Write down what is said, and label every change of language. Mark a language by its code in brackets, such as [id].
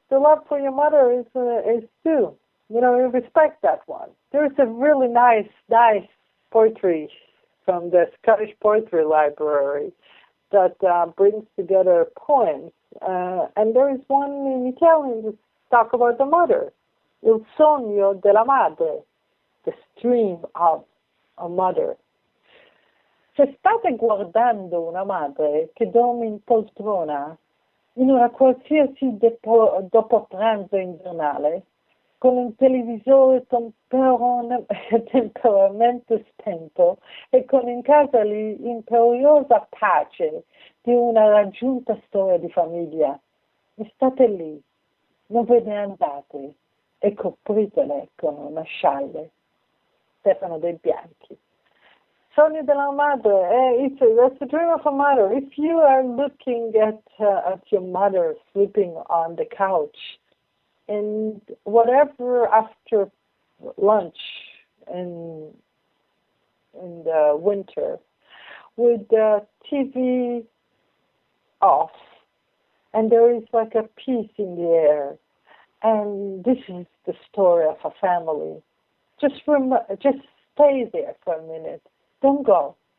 [en] The love for your mother is too. You know, you respect that one. There's a really nice poetry from the Scottish Poetry Library that brings together poems. And there is one in Italian that talks about the mother. [it] Il sogno della madre, [en] the dream of a mother. [it] Se state guardando una madre che dorme in poltrona in una qualsiasi dopo pranzo invernale con un televisore temporaneamente spento e con in casa l'imperiosa pace di una raggiunta storia di famiglia. E state lì, non ve ne andate, e copritele con una scialle. Stefano De Bianchi. Sogno della madre, [en] that's the dream of a mother. If you are looking at your mother sleeping on the couch, and whatever after lunch in the winter, with the TV off, and there is like a peace in the air, and this is the story of a family, just stay there for a minute. Don't go.